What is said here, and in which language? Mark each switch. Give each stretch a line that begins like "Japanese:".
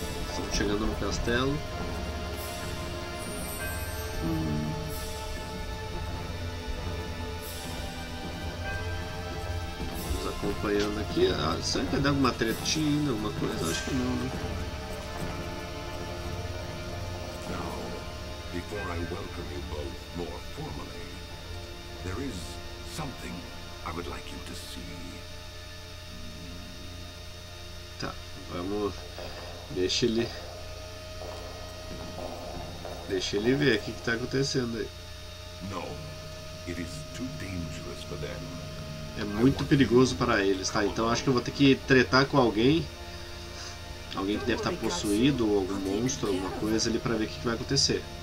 Portuguese: Estamos chegando no castelo. Acompanhando aqui, será que vai dar alguma tretinha, alguma coisa? Acho que não, né?
English: Now, before I welcome you both more formally, there is something I would like you to see.
Portuguese: Tá, vamos. Deixa ele ver o que está acontecendo aí.
English: No, it is too dangerous for them.
Portuguese: É muito perigoso para eles, tá? Então acho que eu vou ter que tretar com alguém. Alguém que deve estar possuído, ou algum monstro, alguma coisa ali, para ver o que vai acontecer.